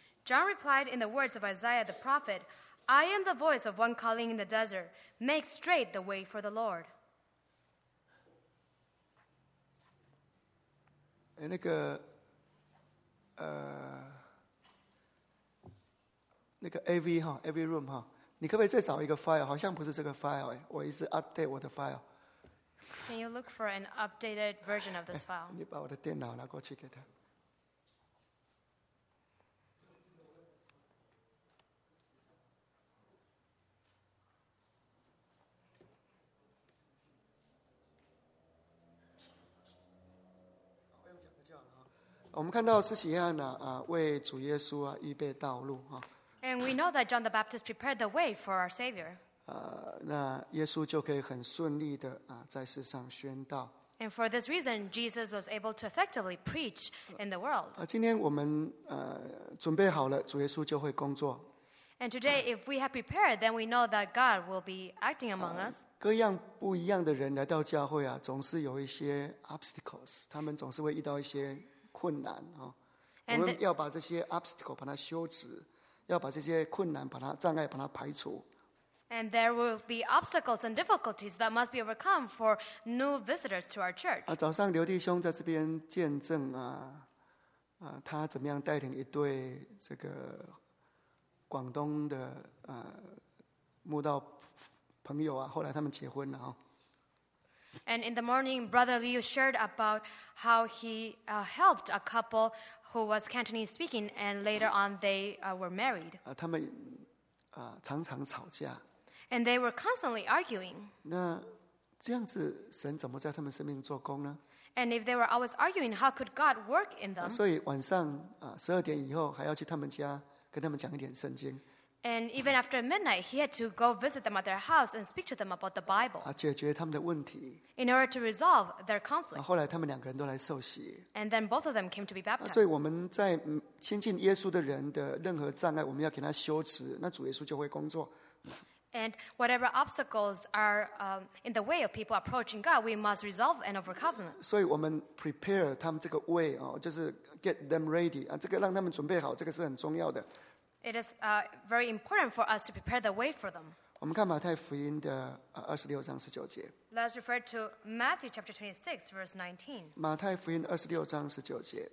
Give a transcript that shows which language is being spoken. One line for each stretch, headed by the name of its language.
English: John replied in the words of Isaiah the prophet, I am the voice of one calling in the desert, make straight the way for the Lord.
Chinese: 那个那个 AV, AV room, 你可不可以再找一个 file? 好像不是这个 file, 我一直 update 我的 file。
English: Can you look for an updated version of this file?
Chinese: 你把我的电脑拿过去给他。我们看到施洗约翰为主耶稣预备道路。
English: And we know that John the Baptist prepared the way for our Savior.
Chinese: 那耶稣就可以很顺利的在世上宣道。
English: And for this reason, Jesus was able to effectively preach in the world.
Chinese: 今天我们准备好了，主耶稣就会工作。
English: And today, if we have prepared, then we know that God will be acting among us.
Chinese: 各样不一样的人来到教会总是有一些 obstacles， 他们总是会遇到一些困难我们要把这些 obstacle 把它修直，要把这些困难把它障碍把它排除。
English: And there will be obstacles and difficulties that must be overcome for new visitors to our church.
Chinese: 早上刘弟兄在这边见证他怎么样带领一对这个广东的慕道朋友后来他们结婚了。
English: And in the morning, Brother Liu shared about how he helped a couple who was Cantonese speaking, and later on they were married.
Chinese: 他们常常吵架。
English: And they were constantly arguing.
Chinese: 那这样子，神怎么在他们生命做工呢
English: ？And if they were always arguing, how could God work in them？
Chinese: 所以晚上十二点以后还要去他们家跟他们讲一点圣经。
English: And even after midnight, he had to go visit them at their house and speak to them about the Bible.
Chinese: 解决他们的问题。
English: In order to resolve their conflict.
Chinese: 后来他们两个人都来受洗。
English: And then both of them came to be baptized.
Chinese: 所以我们在亲近耶稣的人的任何障碍，我们要给他修辞，那主耶稣就会工作。
English: And whatever obstacles are in the way of people approaching God, we must resolve and overcome them.
Chinese: 所以我们 prepare 他们这个 way 就是
English: get them ready
Chinese: 这个让他们准备好，这个是很重要的。
English: It is very important for us to prepare the way for them.
Chinese: 我们看马太福音的二十六章十九节。
English: Let's refer to Matthew chapter 26 verse 19.
Chinese: 马太福音二十六章十九节。